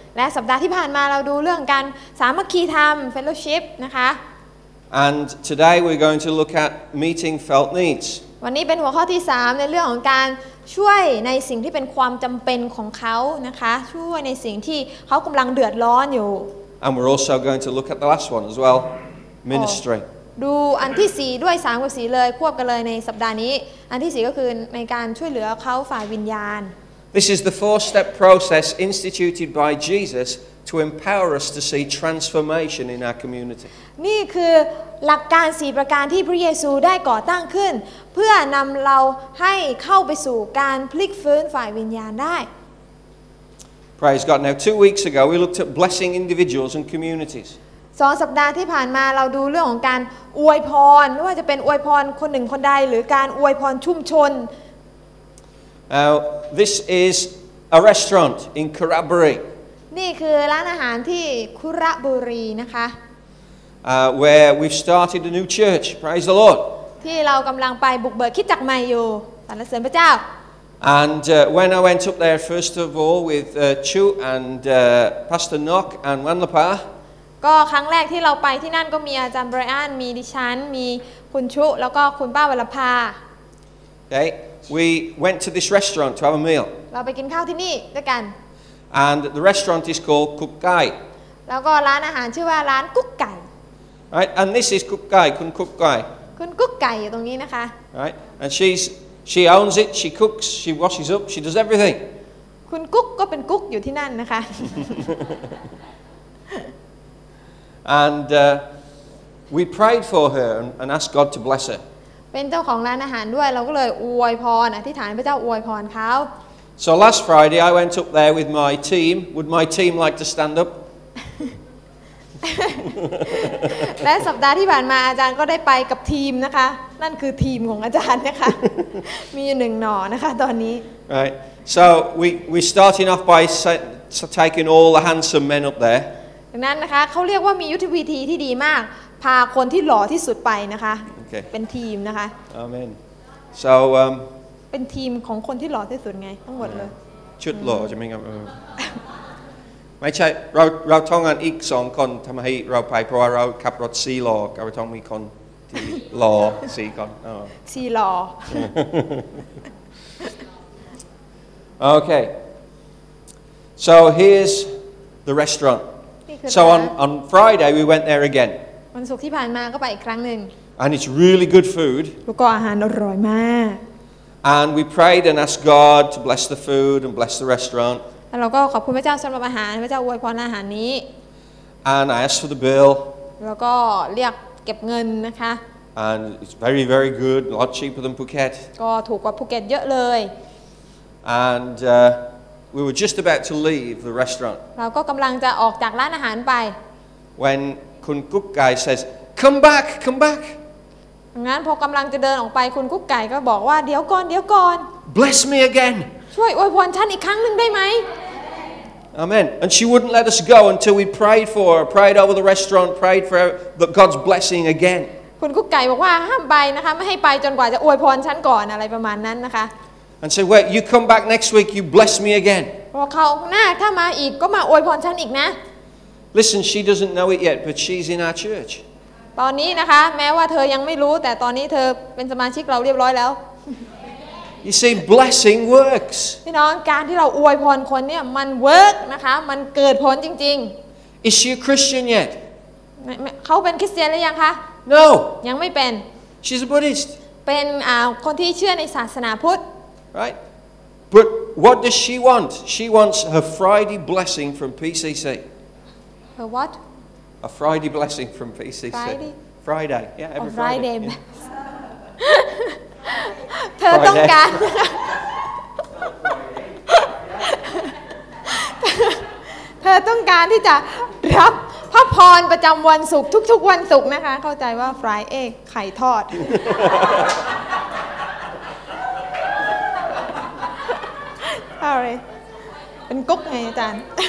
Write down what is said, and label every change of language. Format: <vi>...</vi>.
<th>และสัปดาห์ที่ผ่านมาเราดูเรื่องการสามัคคีธรรม fellowship นะคะ</th> <en>and today we're going to look at meeting felt needs</en> <th>วันนี้เป็นหัวข้อที่3ในเรื่องของการช่วยในสิ่งที่เป็นความจำเป็นของเขานะคะช่วยในสิ่งที่เขากำลังเดือดร้อนอยู่</th> <en>and we're also going to look at the last one as well ministry</en> <th>ดูอันที่4ด้วย3กับ4เลยควบกันเลยในสัปดาห์นี้อันที่4ก็คือในการช่วยเหลือเขาฝ่ายวิญญาณ</th> <en>This is the four-step process instituted by Jesus to empower us to see transformation in our community</en> <th>นี่คือหลักการ4ประการที่พระเยซูได้ก่อตั้งขึ้นเพื่อนำเราให้เข้าไปสู่การพลิกฟื้นฝ่ายวิญญาณได้</th> <en>Praise God now 2 weeks ago we looked at blessing individuals and communities</en> <th>2 สัปดาห์ที่ผ่านมาเราดูเรื่องของการอวยพรไม่ว่าจะเป็นอวยพรคนหนึ่งคนใดหรือการอวยพรชุมชน</th> <en>Now this is a restaurant in Kurraburi</en> <th>นี่คือร้านอาหารที่คุระบุรีนะคะ</th> <en>Where we've started a new church praise the Lord</en> <th>ที่เรากำลังไปบุกเบิกคิดจักใหม่อยู่สรรเสริญพระเจ้า</th> <en>And when I went up there first of all with Chu and Pastor Nok and Wanlapa</en> <th>ก็ครั้งแรกที่เราไปที่นั่นก็มีอาจารย์ไบรอันมีดิฉันมีคุณชุแล้วก็คุณป้าวรภา</th> <en>Okay we went to this restaurant to have a meal</en> <th>เราไปกินข้าวที่นี่ด้วยกัน</th> <en>And the restaurant is called Kukkai</en> <th>แล้วก็ร้านอาหารชื่อว่าร้านกุ๊กไก่</th> <en>Right and this is Kukkai คุณกุ๊กไก่</en> <th>คุณกุ๊กไก่อยู่ตรงนี้นะคะ</th> <en>Right and she owns it she cooks she washes up she does everything</en> <th>คุณกุ๊กก็เป็นกุ๊กอยู่ที่นั่นนะคะ</th> <en>And we prayed for her and asked God to bless her.</en> <th>เป็นเจ้าของร้านอาหารด้วยเราก็เลยอวยพรอธิษฐานพระเจ้าอวยพรเขา</th> <en>So last Friday I went up there with my team. Would my team like to stand up?</en> <th>และสัปดาห์ที่ผ่านมาอาจารย์ก็ได้ไปกับทีมนะคะนั่นคือทีมของอาจารย์นะคะมีอยู่หนึ่งหน่อนะคะตอนนี้</th> <en>Right. So we're starting off by taking all the handsome men up there.</en> <th>ดังนั้นนะคะเขาเรียกว่ามียุทธวิธีที่ดีมากพาคนที่หล่อที่สุดไปนะคะเป็นทีมนะคะ</th> <en>Amen.</en> <th>So เป็นทีมของคนที่หล่อที่สุดไงทั้งหมดเลย ชุดหล่อใช่ไหมครับไม่ใช่เราท่องอันอีกสองคนทำให้เราไปเพราะว่าเราขับรถสี่ล้อก็เราต้องมีคนที่หล่อสี่คน สี่ล้อ</th> <en>Okay. So here's the restaurant. So on Friday we went there again.</en> <th>วันศุกร์ที่ผ่านมาก็ไปอีกครั้งนึง</th> <en>And it's really good food.</en> <th>แล้วก็อาหารอร่อยมาก</th> <en>And we prayed and asked God to bless the food and bless the restaurant.</en> <th>แล้วเราก็ขอบคุณพระเจ้าสำหรับอาหารพระเจ้าอวยพรอาหารนี้</th> <en>And I asked for the bill.</en> <th>แล้วก็เรียกเก็บเงินนะคะ</th> <en>And it's very very good, a lot cheaper than Phuket.</en> <th>ก็ถูกกว่าภูเก็ตเยอะเลย</th> <en>And we were just about to leave the restaurant.</en> <th>เราก็กำลังจะออกจากร้านอาหารไป</th> <en>When คุณกุ๊กไก่ says come back come back</en> <th>งั้นพอกำลังจะเดินออกไปคุณกุ๊กไก่ก็บอกว่าเดี๋ยวก่อนเดี๋ยวก่อน</th> <en>bless me again</en> <th>ช่วยอวยพรฉันอีกครั้งนึงได้ไหม</th> <en>amen and she wouldn't let us go until we prayed for her, prayed over the restaurant prayed for that God's blessing again</en> <th>คุณกุ๊กไก่บอกว่าห้ามไปนะคะไม่ให้ไปจนกว่าจะอวยพรฉันก่อนอะไรประมาณนั้นนะคะ</th> <en>and say wait you come back next week you bless me again</en> <th>พอเขาหน้าถ้ามาอีกก็มาอวยพรฉันอีกนะ</th> <en>Listen, she doesn't know it yet, but she's in our church.</en> <th>ตอนนี้นะคะแม้ว่าเธอยังไม่รู้แต่ตอนนี้เธอเป็นสมาชิกเราเรียบร้อยแล้ว</th> <en>You see, blessing works.</en> <th>พี่น้องการที่เราอวยพรคนเนี่ยมัน work นะคะมันเกิดผลจริง</th> <en>ๆ Is she a Christian yet?</en> <th>เขาเป็นคริสเตียนหรือยังคะ</th> <en>No.</en> <th>ยังไม่เป็น</th> <en>She's a Buddhist.</en> <th>เป็นคนที่เชื่อในศาสนาพุทธ</th> <en>Right. But what does she want? She wants her Friday blessing from PCC. A what? A Friday blessing from PCC. Friday. Yeah, every Friday.</en> <th>เธอต้องการเธอต้องการที่จะรับพระพรประจำวันศุกร์ทุกๆวันศุกร์นะคะเข้าใจว่า</th> <en>Fry egg</en> <th>ไข่ทอด</th> <en>Sorry.</en> <th>เป็นกุ๊กไงอาจารย์</th>